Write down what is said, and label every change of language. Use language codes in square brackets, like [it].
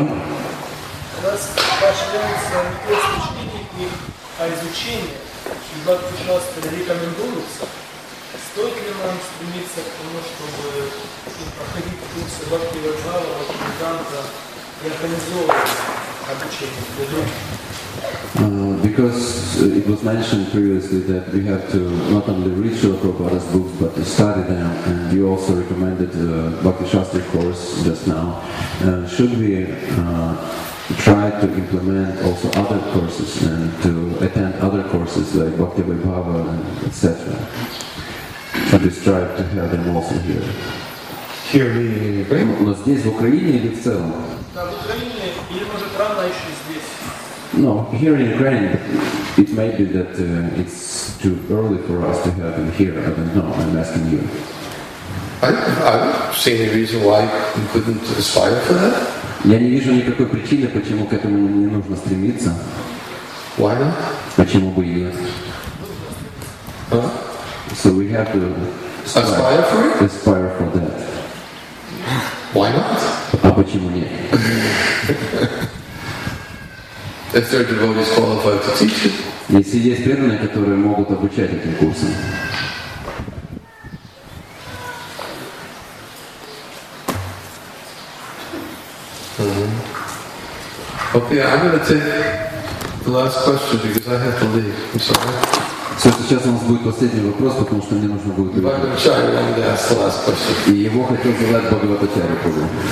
[ru] У нас поощряется не просто чтение книг, а изучение. Чтобы, пожалуйста, рекомендуется. Стоит ли нам стремиться к тому, чтобы проходить курсы Бхакти Ваджава, Ваджиданта и организовывать обучение для других? [en] Because it was mentioned previously that we have to not only read Srila Prabhupada's books but to study them, and you also recommended the Bhakti Shastri course just now. Should we try to implement also other courses and to attend other courses like Bhakti Vibhava and etc.? Should we strive to have them also here? Here we in Ukraine? [ru] Но здесь, в Украине или в целом? Да, в Украине, или может рано еще здесь. [en] No, here in Ukraine, it may be that it's too early for us to have them here. I don't know. I'm asking you. I don't see any reason why we couldn't aspire for that. [ru] Я не вижу никакой причины, почему к этому не нужно стремиться. [en] Why not? [ru] Почему бы и нет? [en] So we have to aspire for it. Aspire for that. Why not? [ru] А почему нет? [en] If there are devotees qualified to teach it. [ru] Если есть преданные, которые могут обучать этим курсам. [en] Okay, I'm going to take the last question because I have to leave. I'm sorry. [ru] So, сейчас у нас будет последний вопрос, потому что мне нужно будет уйти. И его хотел задать Бхагаватачари Пуру.